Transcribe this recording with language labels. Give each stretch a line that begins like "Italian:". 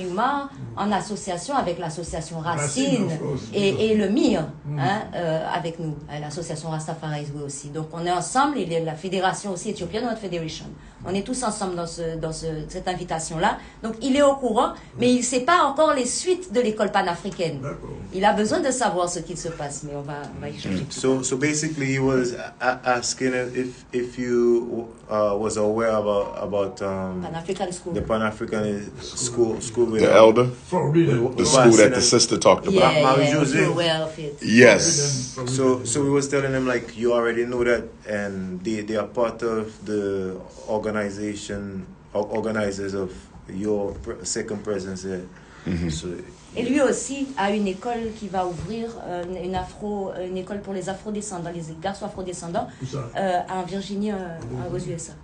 French: Umar en association avec l'association Racine et le MIR avec nous, l'association Rastafari aussi. Donc on est ensemble, il y a la fédération aussi, Ethiopian World Federation. On est tous ensemble dans cette invitation-là. Donc, il est au courant, mais il ne sait pas encore les suites de l'école panafricaine. D'accord. Il a besoin de savoir ce qu'il se passe, mais on va y changer.
English: So basically, he was asking if you was aware about Pan-African school. The Pan-African school with the elder, the school that the sister talked about. Yeah, Marie-José. Yeah, aware of it. Yes. So we was telling him, like, you already know that, and they are part of the organizers of your second presence here. Mm-hmm. So,
French: et lui aussi a une école qui va ouvrir une école pour les afro-descendants, les garçons afro-descendants, en Virginie, aux USA.